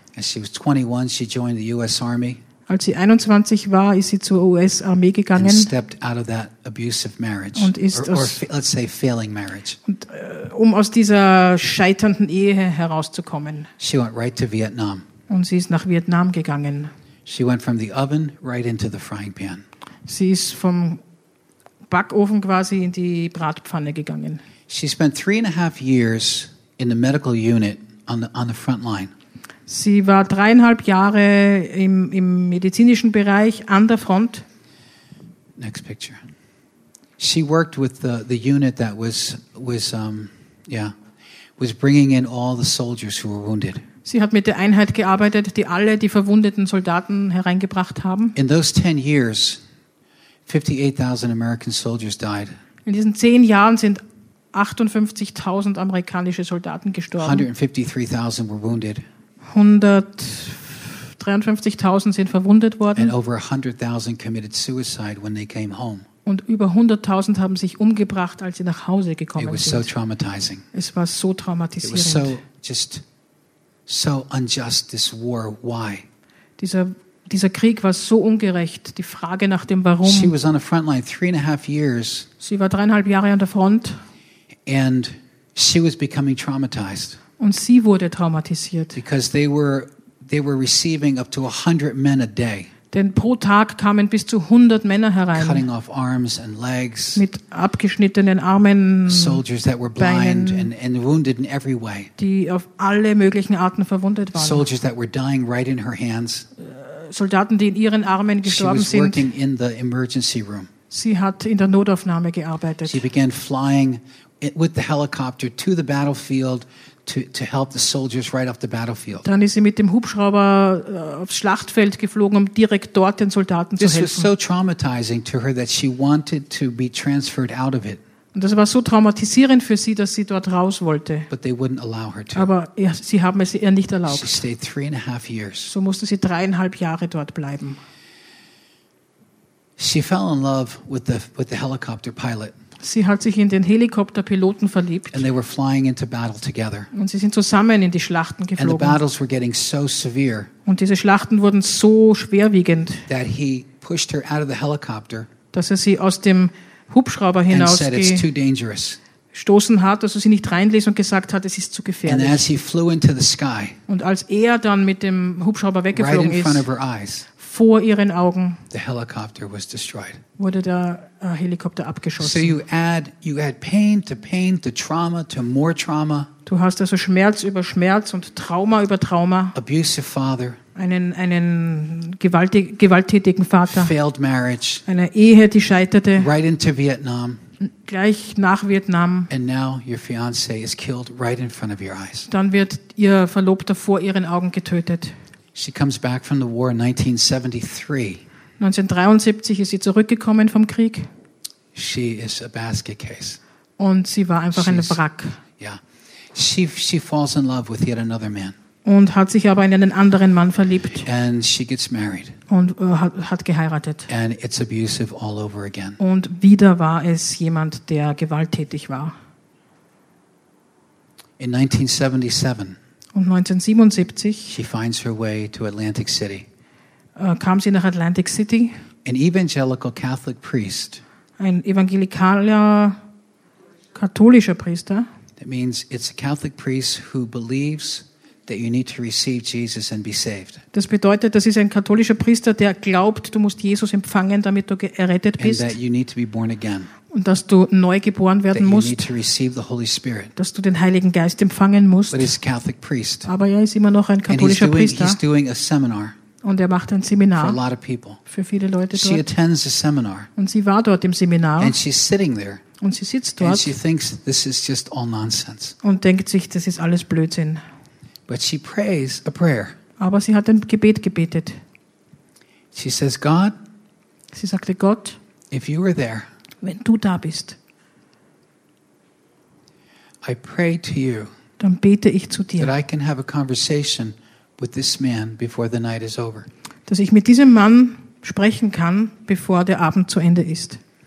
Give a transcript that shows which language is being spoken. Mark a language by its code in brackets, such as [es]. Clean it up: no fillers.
[en] As she was 21, she joined the US Army. [de] Als sie 21 war, ist sie zur US-Armee gegangen. [en] And stepped out of that abusive marriage. [de] Und ist [en] let's say failing marriage. [de] Und, um aus dieser scheiternden Ehe herauszukommen. [en] She went right to Vietnam. [de] Und sie ist nach Vietnam gegangen. [en] She went from the oven right into the frying pan. [de] Sie ist vom Backofen quasi in die Bratpfanne gegangen. [en] She spent 3.5 years in the medical unit on the front line. [de] Sie war 3.5 Jahre im medizinischen Bereich an der Front. [en] Next picture. She worked with the unit that was bringing in all the soldiers who were wounded. [de] Sie hat mit der Einheit gearbeitet, die alle die verwundeten Soldaten hereingebracht haben. [en] In those 10 years, 58,000 American soldiers died. [de] In diesen 10 Jahren sind 58,000 amerikanische Soldaten gestorben. [en] 153,000 were wounded. [de] 153,000 sind verwundet worden. [en] And over 100,000 committed suicide when they came home. [de] Und über 100,000 haben sich umgebracht, als sie nach Hause gekommen sind. [en] It was so traumatizing. [de] Es war so traumatisierend. [en] It was so unjust, this war. Why? [de] Dieser Krieg war so ungerecht. Die Frage nach dem Warum. [en] She was on the front line 3.5 years. [de] Sie war 3.5 Jahre an der Front. [en] And she was becoming traumatized. [de] Und sie wurde traumatisiert. [en] Because they were receiving up to 100 men a day. [de] Denn pro Tag kamen bis zu 100 Männer herein. [en] Cutting off arms and legs. [de] Mit abgeschnittenen Armen. [en] Soldiers that were blind and wounded in every way. [de] Die auf alle möglichen Arten verwundet waren. [en] Soldiers that were dying right in her hands. [de] Soldaten, die in ihren Armen gestorben sind. [en] She was working [de] sind. [en] In the emergency room. [de] Sie hat in der Notaufnahme gearbeitet. [en] She began flying with the helicopter to the battlefield. To help the soldiers right off the battlefield. [de] Dann ist sie mit dem Hubschrauber aufs Schlachtfeld geflogen, um direkt dort den Soldaten zu helfen. [en] This was so traumatizing to her that she wanted to be transferred out of it. [de] Und das war so traumatisierend für sie, dass sie dort raus wollte. [en] But they wouldn't allow her to. [de] Aber sie haben es ihr nicht erlaubt. [en] She stayed 3.5 years. [de] So musste sie 3.5 Jahre dort bleiben. [en] She fell in love with the helicopter pilot. [de] Sie hat sich in den Helikopterpiloten verliebt. [en] And they were flying into battle together. [de] Und sie sind zusammen in die Schlachten geflogen. [en] And the battles were getting so severe. [de] Und diese Schlachten wurden so schwerwiegend. [en] That he pushed her out of the helicopter. [de] Dass er sie aus dem Hubschrauber hinausgestoßen hat, dass er sie nicht reinließ und gesagt hat, es ist zu gefährlich. [en] And as he flew into the sky. [de] Und als er dann mit dem Hubschrauber weggeflogen [en] right in front [de] ist, [en] of her eyes, [de] vor ihren Augen, [en] the helicopter was destroyed. [de] Wurde der Helikopter abgeschossen. [en] So you add pain to pain, to trauma to more trauma. [de] Du hast also Schmerz über Schmerz und Trauma über Trauma. [en] Abusive father. [de] Einen gewalttätigen Vater. [en] Failed marriage. [de] Eine Ehe, die scheiterte. [en] Right into Vietnam. [de] Gleich nach Vietnam. [en] And now your fiance is killed right in front of your eyes. [de] Dann wird ihr Verlobter vor ihren Augen getötet. [en] She comes back from the war in 1973. [de] 1973 ist sie zurückgekommen vom Krieg. [en] She is a basket case. [de] Und sie war einfach ein Wrack. [en] Yeah. She falls in love with yet another man. [de] Und hat sich aber in einen anderen Mann verliebt. [en] And she gets married. [de] Und hat geheiratet. [en] And it's abusive all over again. [de] Und wieder war es jemand, der gewalttätig war. [en] In 1977. [de] Und 1977. [en] She finds her way to Atlantic City. [de] Kam sie nach Atlantic City. [en] An evangelical Catholic priest. [de] Ein evangelikaler katholischer Priester. [en] That means it's a Catholic priest who believes that you need to receive Jesus and be saved. [de] Das bedeutet, das ist ein katholischer Priester, der glaubt, du musst Jesus empfangen, damit du errettet bist. [en] And that you need to be born again. [de] Und dass du neu geboren werden [en] that [de] musst. [en] You need to receive the Holy Spirit. [de] Dass du den Heiligen Geist empfangen musst. [en] But he's a Catholic priest. [de] Aber er ist immer noch ein katholischer [en] and he's doing, He's doing a seminar. [de] Und er macht ein Seminar [en] for a lot of people. [de] Für viele Leute dort. [en] She attends a seminar. [de] Und sie war dort im Seminar. [en] And she's sitting there. [de] Und sie sitzt dort. [en] And she thinks this is just all nonsense. [de] Und denkt sich, das ist alles Blödsinn. [en] But she prays a prayer. [de] Aber sie hat ein Gebet gebetet. [en] She says, God, [de] sie sagte, Gott, [en] if you were there, [de] wenn du da bist, [en] I pray to you, [de] dann bete ich zu dir, [en] that I can have a conversation with this man before the night is over. [de] Dass ich mit diesem Mann sprechen kann, bevor der Abend zu Ende ist.